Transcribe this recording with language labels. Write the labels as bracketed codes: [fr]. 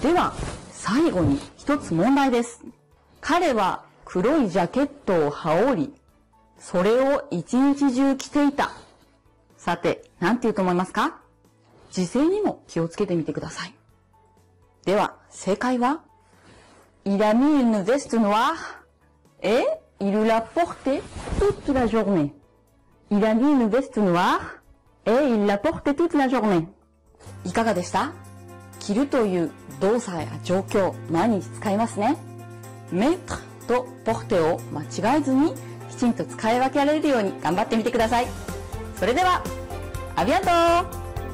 [ja] では、最後に一つ問題です。彼は黒いジャケットを羽織り、それを一日中着ていた。さて、何て言うと思いますか？時制にも気をつけてみてください。では、正解は？ [fr] Il a mis une veste noire et il l'a portée toute la journée. Il a mis une veste noire et il l'a portée toute la journée. [ja] いかがでした？着るという動作や状況、毎日使いますね。 mettre と porter を間違えずに、きちんと使い分けられるように頑張ってみてください。それでは、ありがとう！